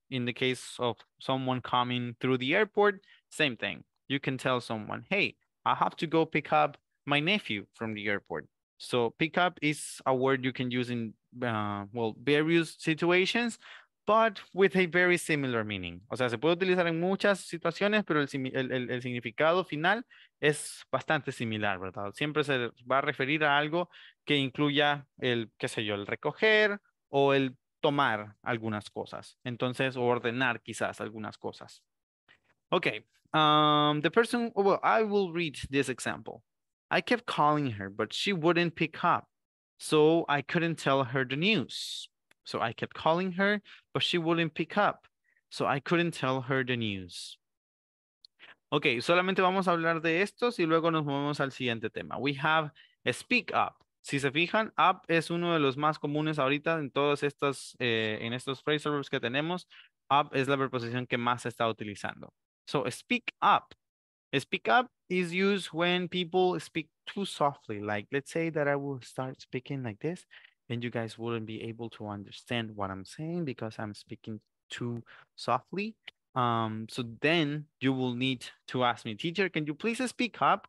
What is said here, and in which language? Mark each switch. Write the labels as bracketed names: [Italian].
[English] In the case of someone coming through the airport, same thing. You can tell someone, hey, I have to go pick up my nephew from the airport. So pick up is a word you can use in, well, various situations, but with a very similar meaning. [Spanish] O sea, se puede utilizar en muchas situaciones, pero el significado final es bastante similar, ¿verdad? Siempre se va a referir a algo que incluya el, qué sé yo, el recoger o el tomar algunas cosas. Entonces, ordenar quizás algunas cosas. [English] Okay, the person, well, I will read this example. I kept calling her, but she wouldn't pick up, so I couldn't tell her the news. So I kept calling her, but she wouldn't pick up, so I couldn't tell her the news. [Spanish] Okay, solamente vamos a hablar de estos y luego nos movemos al siguiente tema. [English] We have a speak up. [Spanish] Si se fijan, up es uno de los más comunes ahorita en todas estas, en estos phrasal verbs que tenemos. Up es la preposición que más se está utilizando. [English] So speak up. Speak up is used when people speak too softly. Like, let's say that I will start speaking like this and you guys wouldn't be able to understand what I'm saying because I'm speaking too softly. So then you will need to ask me, teacher, can you please speak up?